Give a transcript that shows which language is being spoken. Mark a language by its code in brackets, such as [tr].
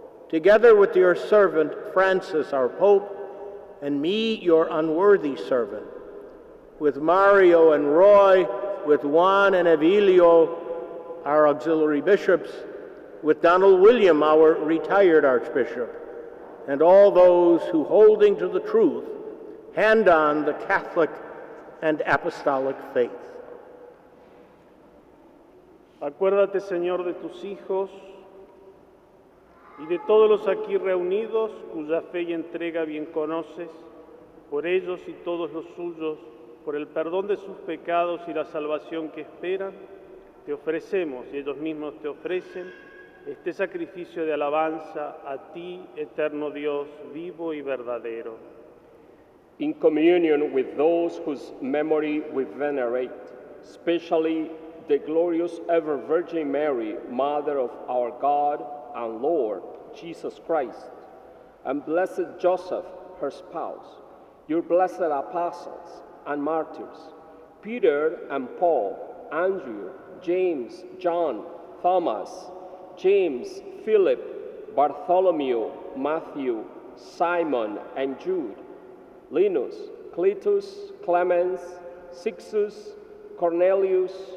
[en] Together with your servant, Francis, our Pope, and me, your unworthy servant, with Mario and Roy, with Juan and Evelio, our auxiliary bishops, with Donald William, our retired archbishop, and all those who, holding to the truth, hand on the Catholic and apostolic faith. [es] Acuérdate, Señor, de tus hijos y de todos los aquí reunidos cuya fe y entrega bien conoces, por ellos y todos los suyos, por el perdón de sus pecados y la salvación que esperan, te ofrecemos y ellos mismos te ofrecen este sacrificio de alabanza a ti, eterno Dios, vivo y verdadero. [en] In communion with those whose memory we venerate, especially the glorious ever-Virgin Mary, Mother of our God and Lord, Jesus Christ, and blessed Joseph, her spouse, your blessed apostles and martyrs, Peter and Paul, Andrew, James, John, Thomas, James, Philip, Bartholomew, Matthew, Simon, and Jude, Linus, Cletus, Clemens, Sixtus, Cornelius,